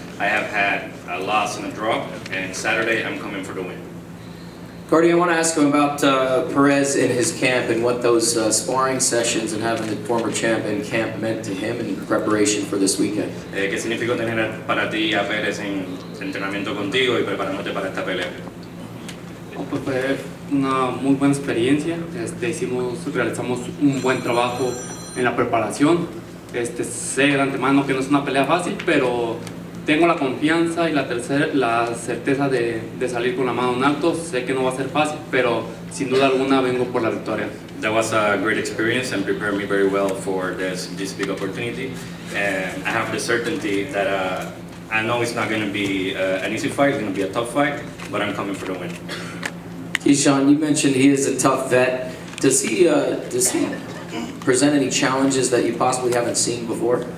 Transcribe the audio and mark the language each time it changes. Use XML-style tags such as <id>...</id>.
<en>I have had a loss and a draw, and Saturday I'm coming for the win. Guardy, I want to ask him about Perez in his camp and what those sparring sessions and having the former champ in camp meant to him in preparation for this weekend.</en> <es>¿Qué significó tener para ti a Perez en entrenamiento contigo y preparándote para esta pelea? Fue una muy buena experiencia. Realizamos un buen trabajo en la preparación. Sé de antemano que no es una pelea fácil, pero tengo la confianza y la certeza de salir con la mano en alto. Sé que no va a ser fácil, pero sin duda alguna vengo por la victoria.</es> <en>That was a great experience and prepared me very well for this big opportunity. And I have the certainty that I know it's not going to be an easy fight. It's going to be a tough fight, but I'm coming for the win. Keyshawn, you mentioned he is a tough vet. Does he present any challenges that you possibly haven't seen before?</en>